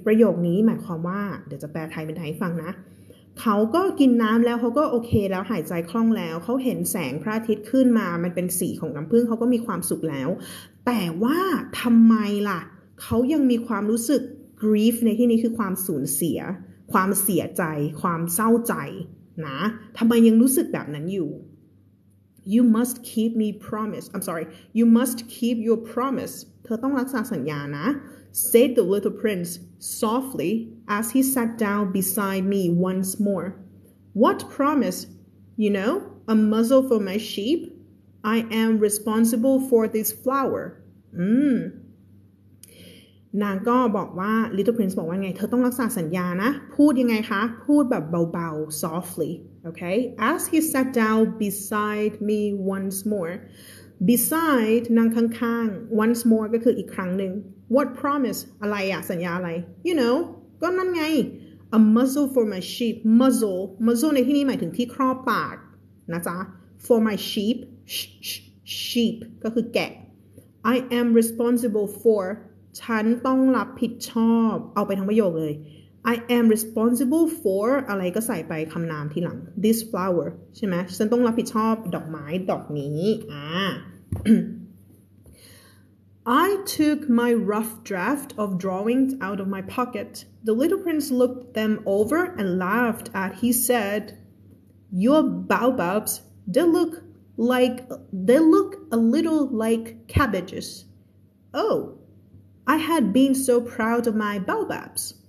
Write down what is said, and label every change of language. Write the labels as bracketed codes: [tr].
[th] ประโยคนี้หมายความว่าเดี๋ยวจะแปลไทยเป็นไทยให้ฟังนะเขาก็กินน้ำแล้วเขาก็โอเคแล้วหายใจคล่องแล้วเขาเห็นแสงพระอาทิตย์ขึ้นมามันเป็นสีของน้ำผึ้งเขาก็มีความสุขแล้วแต่ว่าทำไมล่ะเขายังมีความรู้สึก grief ในที่นี้คือความสูญเสียความเสียใจความเศร้าใจนะทำไมยังรู้สึกแบบนั้นอยู่ [en] You must keep me promise I'm sorry You must keep your promise [th] เธอต้องรักษาสัญญานะ Said [en] the little prince softly as he sat down beside me once more What promise You know a muzzle for my sheep I am responsible for this flower [th] นางก็บอกว่า Little Prince บอกว่าไงเธอต้องรักษาสัญญานะพูดยังไงคะพูดแบบเบาๆ [en] softly okay as he sat down beside me once more beside [th] นางข้างๆ [en] once more [th] ก็คืออีกครั้งหนึ่ง [en] what promise [th] อะไรอะสัญญาอะไร [en] you know [th] ก็นั่นไง [en] a muzzle for my sheep muzzle [th] ในที่นี้หมายถึงที่ครอบปากนะจ๊ะ [en] for my sheep sheep [th] ก็คือแกะ [en] I am responsible for [th] ฉันต้องรับผิดชอบเอาไปทั้งประโยคเลย [en] I am responsible for [th] อะไรก็ใส่ไปคำนามทีหลัง [en] this flower [th] ใช่ไหมฉันต้องรับผิดชอบดอกไม้ดอกนี้ [en] I took my rough draft of drawings out of my pocket the little prince looked them over and laughed at he said your baobabs they look a little like cabbages ohI had been so proud of my baobabs.